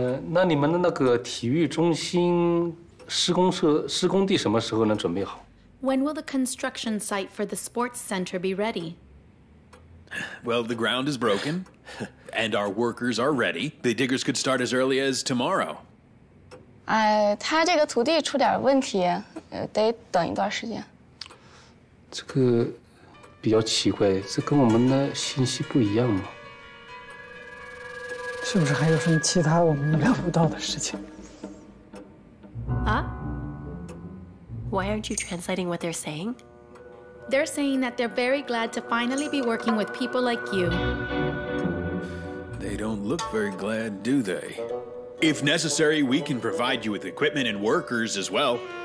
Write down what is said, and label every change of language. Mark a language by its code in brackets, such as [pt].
[zh] 那你们的那个体育中心施工地什么时候能准备好? [en] When will the construction site for the sports center be ready? Well, the ground is broken, and our workers are ready. The diggers could start as early as tomorrow. [zh] 他这个土地出点问题，得等一段时间。这个比较奇怪，这跟我们的信息不一样吗？是不是还有什么其他我们了不到的事情？啊？ [en] Why aren't you translating what they're saying? They're saying that they're very glad to finally be working with people like you. They don't look very glad, do they? If necessary, we can provide you with equipment and workers as well.